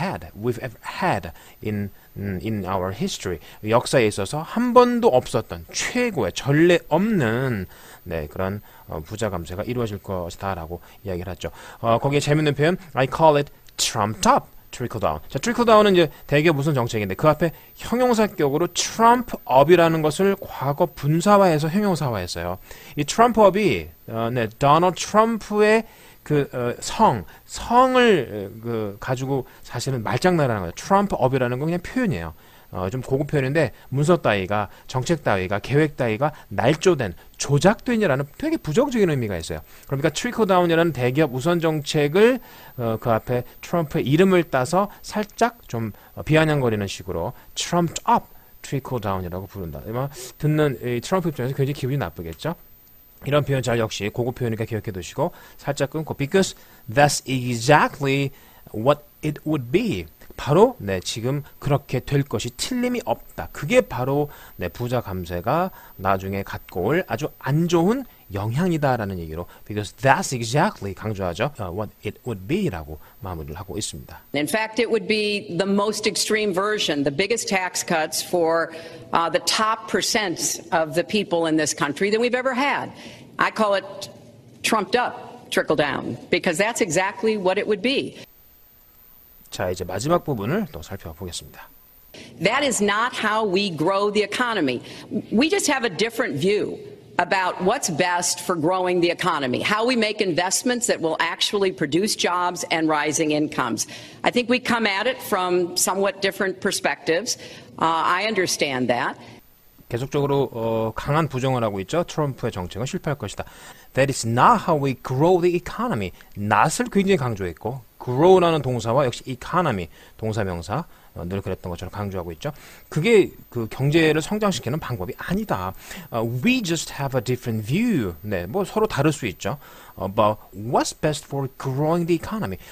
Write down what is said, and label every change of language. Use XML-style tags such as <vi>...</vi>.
<en>We've ever had in our history.</en> <ko>역사에 있어서 한 번도 없었던 최고의 전례 없는 네, 그런 부자 감세가 이루어질 것이다 라고 이야기를 했죠. 거기에 재밌는 표현,</ko> <en>I call it trumped up, trickle down.</en> <ko>자, trickle down은 이제 대기업 우선 정책인데 그 앞에 형용사격으로 trump up이라는 것을 과거 분사화해서 형용사화했어요. 이 trump up이 네, 도널드 트럼프의 그 성을 그 가지고 사실은 말장난하는 거예요. trump up이라는 건 그냥 표현이에요. 좀 고급 표현인데 문서 따위가 정책 따위가 계획 따위가 날조된 조작된이라는 되게 부정적인 의미가 있어요. 그러니까 트리클 다운이라는 대기업 우선 정책을 그 앞에 트럼프의 이름을 따서 살짝 좀 비아냥거리는 식으로 트럼프 업 트리클 다운이라고 부른다. 아마 듣는 이 트럼프 입장에서 굉장히 기분이 나쁘겠죠. 이런 표현 잘 역시 고급 표현이니까 기억해 두시고 살짝 끊고</ko> <en>because that's exactly what it would be.</en> <ko>바로 네 지금 그렇게 될 것이 틀림이 없다. 그게 바로 네 부자 감세가 나중에 갖고 올 아주 안 좋은 영향이다라는 얘기로</ko> <en>because that's exactly</en> <ko>강조하죠.</ko> <en>What it would be라고</en> <ko>마무리를 하고 있습니다.</ko> <en>In fact, it would be the most extreme version, the biggest tax cuts for the top percent of the people in this country than we've ever had. I call it trumped up trickle down because that's exactly what it would be.</en> <ko>자, 이제 마지막 부분을 또 살펴보겠습니다.</ko> <en>That is not how we grow the economy. We just have a different view about what's best for growing the economy, how we make investments that will actually produce jobs and rising incomes. I think we come at it from somewhat different perspectives. I understand that.</en> <ko>계속적으로 강한 부정을 하고 있죠. 트럼프의 정책은 실패할 것이다.</ko> <en>That is not how we grow the economy. Not을</en> <ko>굉장히 강조했고 grow라는 동사와 역시 economy, 동사 명사, 늘 그랬던 것처럼 강조하고 있죠. 그게 그 경제를 성장시키는 방법이 아니다.</ko> <en>We just have a different view.</en> <ko>네, 뭐 서로 다를 수 있죠.</ko> <en>About what's best for growing the economy.</en>